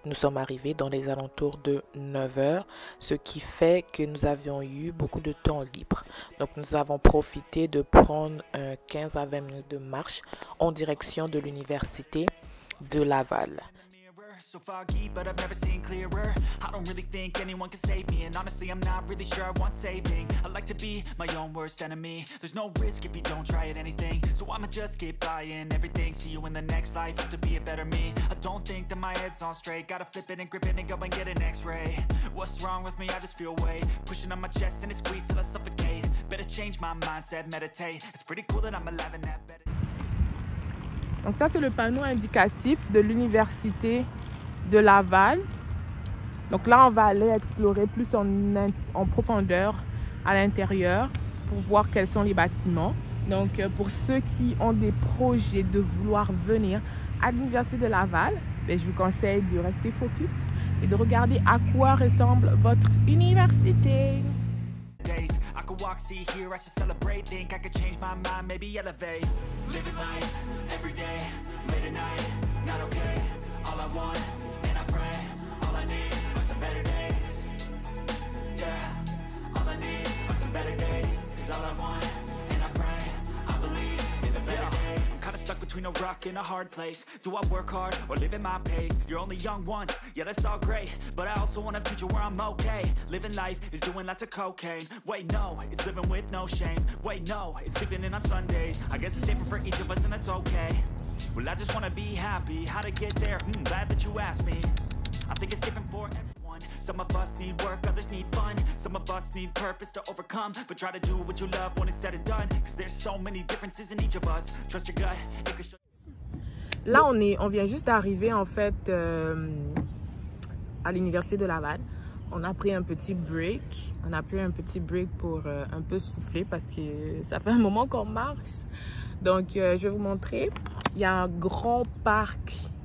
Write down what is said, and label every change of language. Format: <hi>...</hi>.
<fr>Nous sommes arrivés dans les alentours de 9h, ce qui fait que nous avions eu beaucoup de temps libre. Donc nous avons profité de prendre 15 à 20 minutes de marche en direction de l'Université de Laval.</fr> <en>So foggy, but I've never seen clearer. I don't really think anyone can save me. And honestly, I'm not really sure I want saving. I like to be my own worst enemy. There's no risk if you don't try at anything. So I'ma just keep buying everything. See you in the next life, have to be a better me. I don't think that my head's on straight. Gotta flip it and grip it and go and get an x-ray. What's wrong with me? I just feel weight pushing on my chest and it squeezes till I suffocate. Better change my mindset, meditate. It's pretty cool that I'm alive and that better.</en> <fr>Donc ça, c'est le panneau indicatif de l'Université de Laval. Donc là, on va aller explorer plus en profondeur à l'intérieur pour voir quels sont les bâtiments. Donc pour ceux qui ont des projets de vouloir venir à l'Université de Laval, ben, je vous conseille de rester focus et de regarder à quoi ressemble votre université.</fr> <en>Walk, see, hear, I should celebrate. Think I could change my mind, maybe elevate. Living life, every day, late at night, not okay. All I want, and I pray, all I need are some better days. Yeah, all I need are some better days. Cause all I want, and I pray, I believe in the better days. Kinda stuck between a rock and a hard place. Do I work hard or live at my pace? You're only young once, yeah, that's all great. But I also want a future where I'm okay. Living life is doing lots of cocaine. Wait, no, it's living with no shame. Wait, no, it's sleeping in on Sundays. I guess it's different for each of us and it's okay. Well, I just wanna be happy. How to get there? Glad that you asked me. I think it's different for everyone. Some of us need work, others need fun. Some of us need purpose to overcome. But try to do what you love when it's said and done. Cause there's so many differences in each of us. Trust your gut.</en> <fr>Là, on vient juste d'arriver en fait à l'Université de Laval. On a pris un petit break. On a pris un petit break pour un peu souffler parce que ça fait un moment qu'on marche. Donc, je vais vous montrer. Il y a un grand parc.</fr>